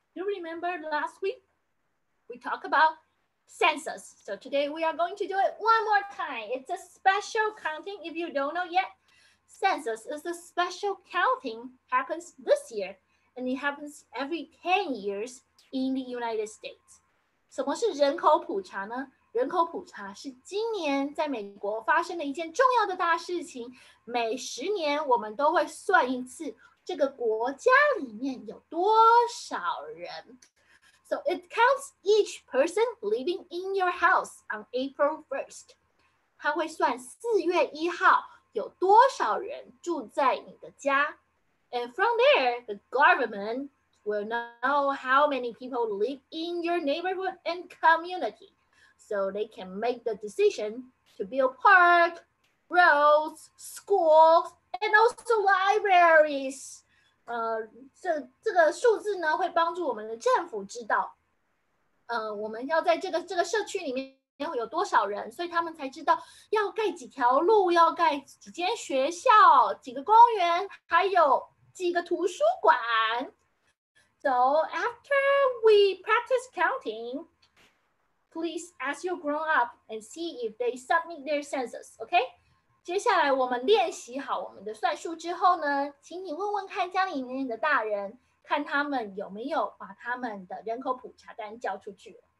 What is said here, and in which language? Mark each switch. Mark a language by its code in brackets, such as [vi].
[en] Do you remember last week? We talked about census. So today we are going to do it one more time. It's a special counting if you don't know yet. Census is a special counting, happens this year, and it happens every 10 years in the United States. [zh] 什么是人口普查呢？人口普查是今年在美国发生的一件重要的大事情，每十年我们都会算一次这个国家里面有多少人。 [en] So it counts each person living in your house on April 1st. [zh] 它会算4月1号有多少人住在你的家。 [en] And from there, the government will know how many people live in your neighborhood and community. So they can make the decision to build parks, roads, schools, and also libraries. [zh] 这个数字呢会帮助我们的政府知道，我们要在这个社区里面有多少人，所以他们才知道要盖几条路，要盖几间学校，几个公园，还有几个图书馆。 [en] So after we practice counting,Please ask your grown-up and see if they submit their census, okay? [zh] 接下来我们练习好我们的算术之后呢，请你问问看家里面的大人，看他们有没有把他们的人口普查单交出去。